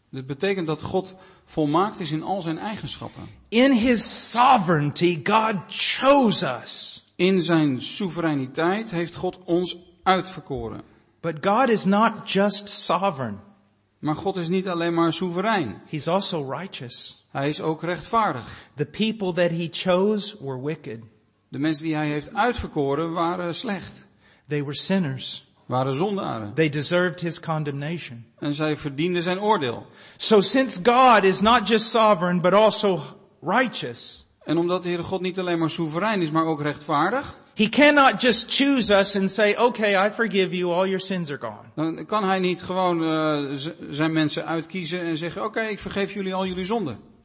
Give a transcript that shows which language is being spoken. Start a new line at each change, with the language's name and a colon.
Dutch: Dit betekent dat God volmaakt is in al zijn eigenschappen.
English: In his sovereignty God chose us.
Dutch: In zijn soevereiniteit heeft God ons uitverkoren.
English: But God is not just sovereign.
Dutch: Maar God is niet alleen maar soeverein.
English: He's also righteous.
Dutch: Hij is ook rechtvaardig.
English: The people that he chose were wicked.
Dutch: De mensen die hij heeft uitverkoren waren slecht.
English: They were sinners.
Dutch: Waren zondaren.
English: They deserved his condemnation.
Dutch: En zij verdienden zijn oordeel.
English: So since God is not just sovereign but also righteous.
Dutch: En omdat de Heere God niet alleen maar soeverein is, maar ook rechtvaardig.
English: He cannot just choose us and say, okay, I forgive you, all your sins are gone.
Dutch: Dan kan hij niet gewoon zijn mensen uitkiezen en zeggen, okay, ik vergeef jullie al jullie zonden.